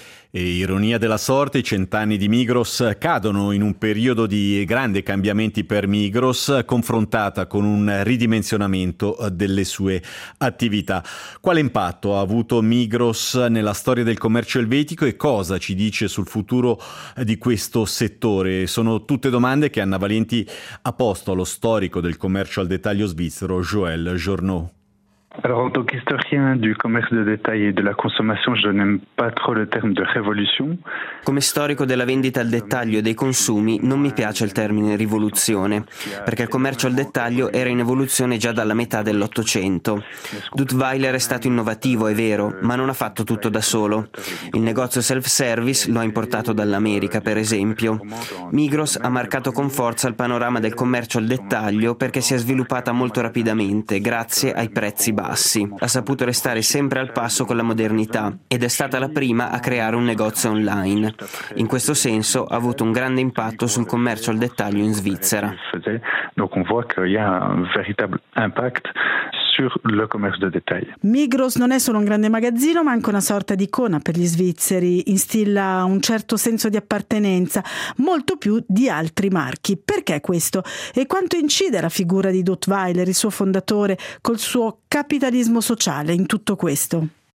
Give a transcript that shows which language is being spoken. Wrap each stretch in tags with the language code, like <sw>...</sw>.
<it>E ironia della sorte, i 100 anni di Migros cadono in un periodo di grandi cambiamenti per Migros, confrontata con un ridimensionamento delle sue attività. Quale impatto ha avuto Migros nella storia del commercio elvetico e cosa ci dice sul futuro di questo settore? Sono tutte domande che Anna Valenti ha posto allo storico del commercio al dettaglio svizzero, Joël Journeau.</it> <fr>Alors, en tant qu'historien du commerce de détail et de la consommation, je n'aime pas trop le terme de révolution.</fr> <it>Come storico della vendita al dettaglio e dei consumi, non mi piace il termine rivoluzione, perché il commercio al dettaglio era in evoluzione già dalla metà dell'Ottocento. Duttweiler è stato innovativo, è vero, ma non ha fatto tutto da solo. Il negozio self-service lo ha importato dall'America, per esempio. Migros ha marcato con forza il panorama del commercio al dettaglio perché si è sviluppata molto rapidamente, grazie ai prezzi bassi. Ha saputo restare sempre al passo con la modernità ed è stata la prima a creare un negozio online. In questo senso ha avuto un grande impatto sul commercio al dettaglio in Svizzera.</it> <fr>Donc on voit qu'il y a un véritable impact sur le commerce de détail.</fr> <it>Migros non è solo un grande magazzino, ma anche una sorta di icona per gli svizzeri, instilla un certo senso di appartenenza, molto più di altri marchi. Perché questo? E quanto incide la figura di Duttweiler, il suo fondatore, col suo capitalismo sociale in tutto questo?</it>